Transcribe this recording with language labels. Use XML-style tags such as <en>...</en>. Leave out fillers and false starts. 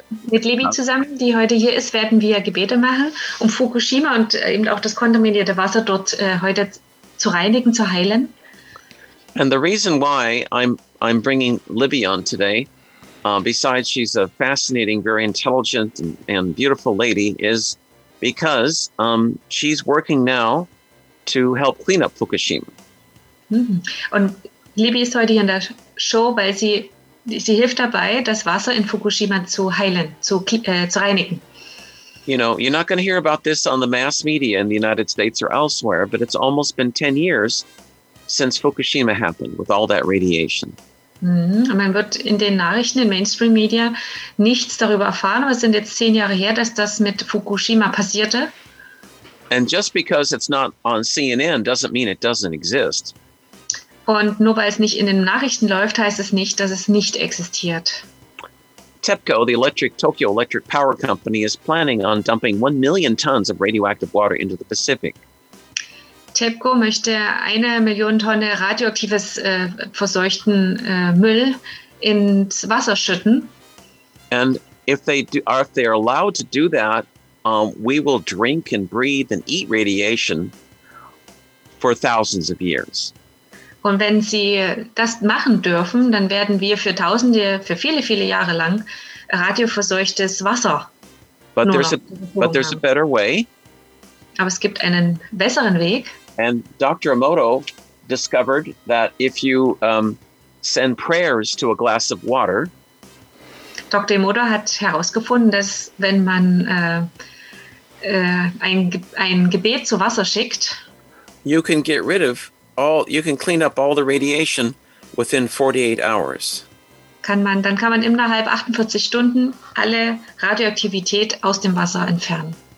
<de>Mit Libby zusammen, die heute hier ist, werden wir Gebete machen, Fukushima und eben auch das kontaminierte Wasser dort heute zu reinigen, zu heilen.</de> <en>And the reason why I'm bringing Libby on today, besides she's a fascinating, very intelligent and beautiful lady, is because she's working now to help clean up Fukushima.</en> <de>Und Libby ist heute hier in der Show, weil sie hilft dabei, das Wasser in Fukushima zu heilen, zu reinigen.</de> <en>You know, you're not going to hear about this on the mass media in the United States or elsewhere, but it's almost been 10 years since Fukushima happened with all that radiation.</en> <de>Man wird in den Nachrichten, in Mainstream-Media, nichts darüber erfahren, aber es sind jetzt 10 Jahre her, dass das mit Fukushima passierte.</de> <en>And just because it's not on CNN doesn't mean it doesn't exist.</en> <de>Und nur weil es nicht in den Nachrichten läuft, heißt es nicht, dass es nicht existiert.</de> <en>TEPCO, the electric Tokyo Electric Power Company, is planning on dumping 1 million tons of radioactive water into the Pacific.</en> <de>TEPCO möchte 1 Million Tonne radioaktives verseuchten Müll ins Wasser schütten.</de> <en>And if they are allowed to do that, we will drink and breathe and eat radiation for thousands of years.</en> <de>Und wenn sie das machen dürfen, dann werden wir für Tausende, für viele, viele Jahre lang radioverseuchtes Wasser.</de> <en>But there's a better way.</en> <de>Aber es gibt einen besseren Weg.</de> <en>And Dr. Emoto discovered that if you send prayers to a glass of water.</en> <de>Dr. Emoto hat herausgefunden, dass wenn man ein Gebet zu Wasser schickt,</de> <en>you can get rid of all, you can clean up all the radiation within 48 hours.</en> <de>Kann man innerhalb 48 Stunden alle Radioaktivität aus dem Wasser entfernen.</de>